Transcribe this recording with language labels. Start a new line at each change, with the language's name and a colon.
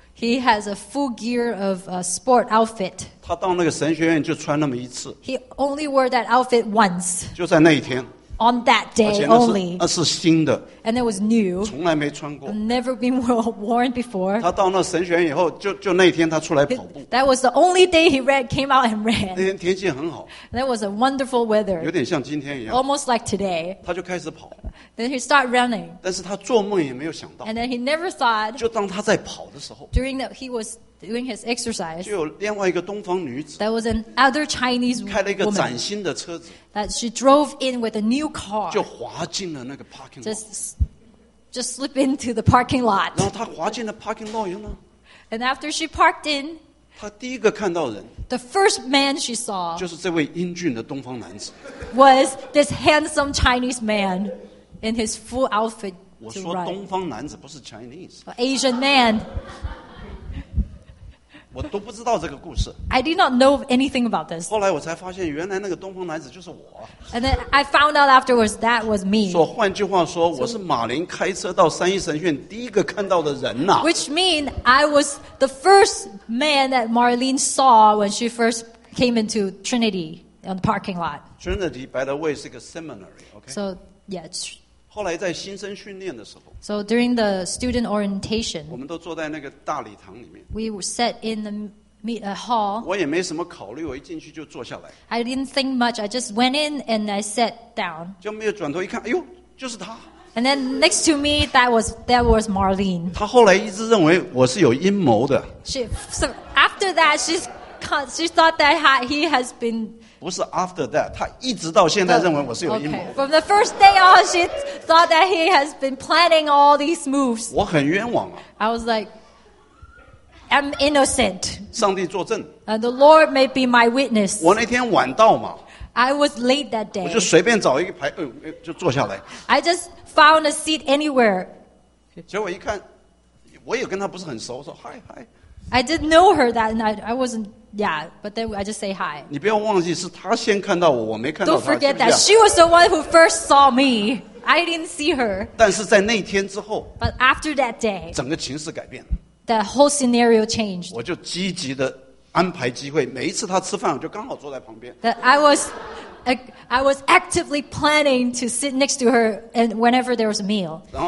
English: He has a full gear of a sport outfit.
Chinese: 他到那个神学院就穿那么一次。
English: He only wore that outfit once.
Chinese: 就在那一天。
English: On that day only.
Chinese: 那是新的。
English: And it was new.
Chinese: 从来没穿过。
English: Never been worn before.
Chinese: 他到那神学院以后，就那一天他出来跑步。
English: That was the only day he came out and ran.
Chinese: 那天天气很好。
English: That was a wonderful weather.
Chinese: 有点像今天一样。
English: Almost like today.
Chinese: 他就开始跑。
English: Then he started running.
Chinese: 但是他做梦也没有想到。
English: And then he never thought.
Chinese: 就当他在跑的时候。
English: During that he was doing his exercise.
Chinese: 就有另外一个东方女子。
English: That was an other Chinese woman.
Chinese: 开了一个崭新的车子。
English: That she drove in with a new car.
Chinese: 就滑进了那个 parking lot.
English: Just slip into the parking lot.
Chinese: 然后他滑进了 parking lot 以后呢。
English: And after she parked in.
Chinese: 他第一个看到人。
English: The first man she saw.
Chinese: 就是这位英俊的东方男子。
English: Was this handsome Chinese man. In his full outfit to run.
Chinese: 我说东方男子不是 Chinese.
English: Asian man.
Chinese: 我都不知道这个故事。
English: I did not know anything about this.
Chinese: 后来我才发现，原来那个东方男子就是我。
English: And then I found out afterwards that was me.
Chinese: 说换句话说，我是马林开车到三一神学院第一个看到的人呐。
English: Which means I was the first man that Marlene saw when she first came into Trinity on the parking lot. Trinity, by the way, is a seminary. Okay. So. Yes.
Chinese: 后来在新生训练的时候
English: So during the student orientation
Chinese: 我们都坐在那个大礼堂里面
English: We were set in the hall
Chinese: 我也没什么考虑我一进去就坐下来
English: I didn't think much I just went in and I sat down
Chinese: 就没有转头一看哎呦就是他
English: And then next to me that was Marlene
Chinese: 他后来一直认为我是有阴谋的
English: So after that she thought that he has been
Chinese: 不是
English: after that，
Chinese: 他一直到现在认为我是有阴谋。
English: From the first day on, she thought that he has been planning all these moves.
Chinese: 我很冤枉啊。
English: I was like, I'm innocent.
Chinese: 上帝作证。
English: And the Lord may be my witness.
Chinese: 我那天晚到嘛。
English: I was late that day.
Chinese: 我就随便找一个牌，就坐下来。
English: I just found a seat anywhere.
Chinese: 结果一看，我也跟他不是很熟，说嗨嗨。
English: I didn't know her that night. I wasn't. Yeah, but then I just say hi.
Chinese: 你不要忘记是她先看到我，我没看到她。
English: Don't forget that she was the one who first saw me. I didn't see her.
Chinese: 但是在那天之后，
English: but after that day,
Chinese: 整个情势改变了。
English: The whole scenario changed.
Chinese: 我就积极地安排机会，每一次她吃饭，我就刚好坐在旁边。
English: That I was actively planning to sit next to her and whenever there was a meal.